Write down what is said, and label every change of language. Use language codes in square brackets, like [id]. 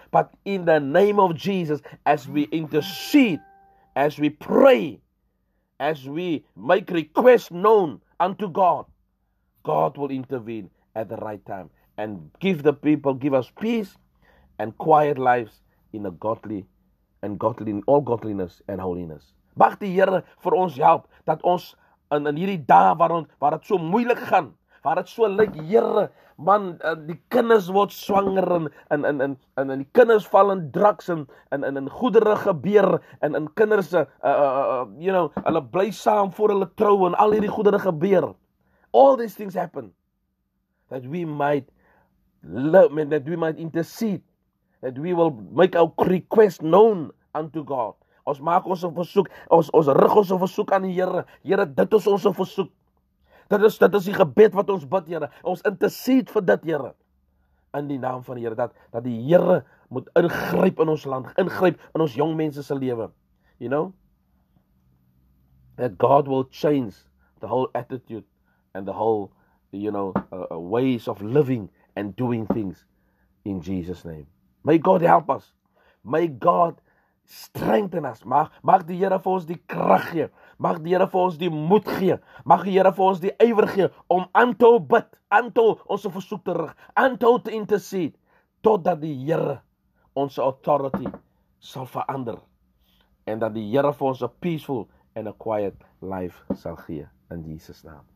[en] But in the name of Jesus, as we intercede, as we pray, as we make requests known unto God, God will intervene at the right time and give us peace and quiet lives in a godly all godliness and holiness. [af] Mag die Here vir ons help dat ons in hierdie dae waar dit so moeilik gaan, waar dit so lyk, Here, man, die kinders word swanger en die kinders val in drugs en goedere gebeur en kinders you know, hulle bly saam voor hulle trou en al hierdie goedere gebeur. [en] All these things happen that we might love, that we might intercede, that we will make our request known unto God. [af] Ons maak ons versoek, ons rig ons versoek aan die Here. Here, dit is ons versoek. Dit is die gebed wat ons bid, Here. Ons intercede vir dit, Here. In die naam van die Here, dat die Here moet ingryp in ons land, ingryp in ons jong mense se lewe. You know? [en] That God will change the whole attitude and the whole, you know, ways of living and doing things in Jesus' name. May God help us. May God strengthen us. [af] Mag die Here vir ons die krag gee. Mag die Here vir ons die moed gee. Mag die Here vir ons die ywer gee om aan te hou bid, aan te hou ons versoek te rig, aan te hou te intercede totdat die Here ons authority sal verander en dat die Here vir ons 'n [en] peaceful and a quiet life [af] sal gee in Jesus naam.